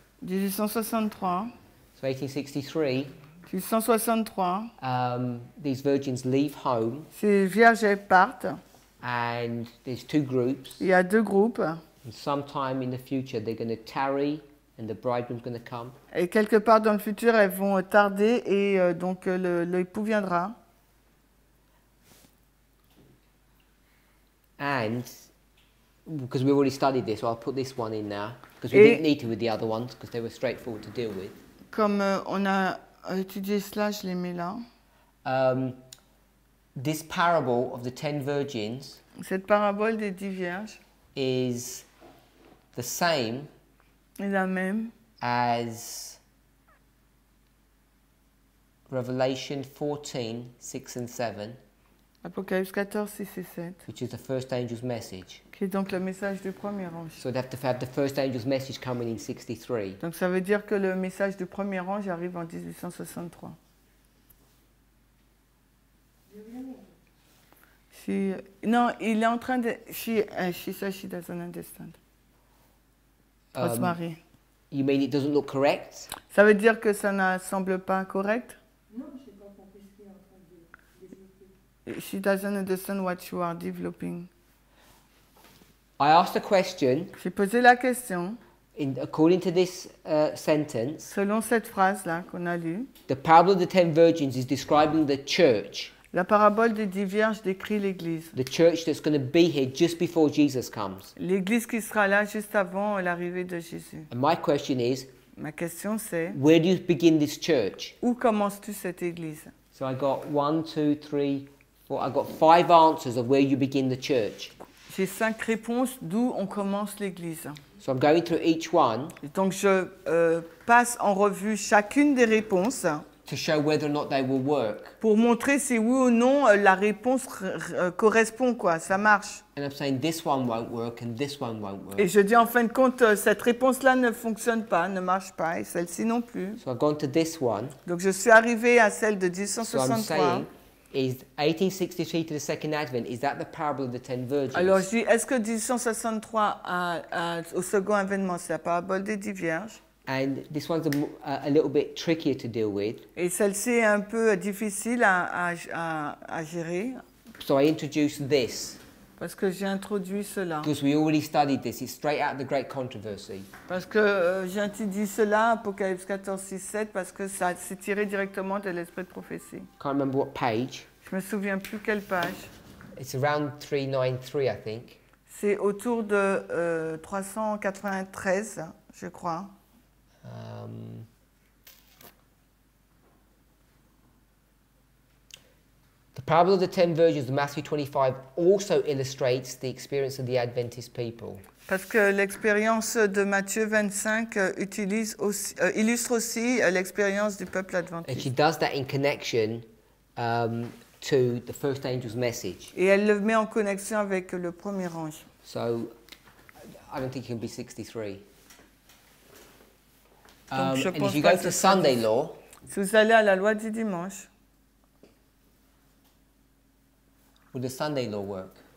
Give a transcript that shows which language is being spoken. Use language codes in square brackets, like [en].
[en] 1863. So 1863. 1863. These virgins leave home. [fr] Ces vierges partent. [en] And there's two groups. [fr] Il y a deux groupes. [en] And sometime in the future, they're going to tarry, and the bridegroom's going to come. [fr] Et quelque part dans le futur, elles vont tarder, et donc l'époux viendra. [en] And because we've already studied this, so I'll put this one in now. Because we didn't need to with the other ones, because they were straightforward to deal with. [fr] Comme on a étudié cela, je les mets là. [en] This parable of the 10 virgins. [fr] Cette parabole des 10 vierges. [en] Is the same. [fr] Est la même. [en] As Revelation 14, 6 and 7. [fr] Apocalypse 14, 6 et 7. [en] Which is the first angel's message. [fr] Qui est donc le message du premier ange. [en] So they have to have the first angel's message coming in 63. [fr] Donc ça veut dire que le message du premier ange arrive en 1863. Non, il est en train de... [en] She says she doesn't understand. Rosemary. You mean it doesn't look correct? [fr] Ça veut dire que ça ne semble pas correct? Non, je n'ai pas compris ce qu'il est en train de... [en] She doesn't understand what you are developing. I asked a question. [fr] J'ai posé la question. [en] In, according to this sentence. [fr] Selon cette phrase-là qu'on a lue. [en] The parable of the ten virgins is describing the church. [fr] La parabole des dix vierges décrit l'église. [en] The church that's going to be here just before Jesus comes. [fr] L'église qui sera là juste avant l'arrivée de Jésus. [en] And my question is, [fr] ma question c'est, [en] where do you begin this church? [fr] Où commences-tu cette église? [en] So I got 1, 2, 3, 4, I got 5 answers of where you begin the church. [fr] J'ai 5 réponses d'où on commence l'église. [en] So I'm going through each one. [fr] Et donc je passe en revue chacune des réponses. [en] To show whether or not they will work. [fr] Pour montrer si oui ou non la réponse correspond quoi, ça marche. [en] And I'm saying this one won't work and this one won't work. [fr] Et je dis en fin de compte cette réponse là ne fonctionne pas, ne marche pas, et celle-ci non plus. [en] So I've gone to this one. [fr] Donc je suis arrivé à celle de 1863. [en] So I'm saying, is 1863 to the second advent, is that the parable of the ten virgins? [fr] Alors je dis, est-ce que 1863 au second avènement, c'est la parabole des dix vierges? [en] And this one's a little bit trickier to deal with. [fr] Et celle-ci est un peu difficile à gérer. [en] So I introduce this. [fr] Parce que j'ai introduit cela. [en] Because we already studied this. It's straight out of the great controversy. [fr] Parce que j'ai introduit cela, Apocalypse 14, 6, 7, parce que ça s'est tiré directement de l'esprit de prophétie. [en] Can't remember what page. [fr] Je me souviens plus quelle page. [en] It's around 393, I think. [fr] C'est autour de 393, je crois. [en] The parable of the ten virgins of Matthew 25 also illustrates the experience of the Adventist people. [fr] Parce que l'expérience de Matthieu 25 utilise aussi, illustre aussi l'expérience du peuple adventiste. [en] And she does that in connection to the first angel's message. [fr] Et elle le met en connexion avec le premier ange. [en] So, I don't think it can be 63. [fr] Donc, [en] and if you go to Sunday law, [fr] si vous allez à la loi du dimanche, [en] would the Sunday law work?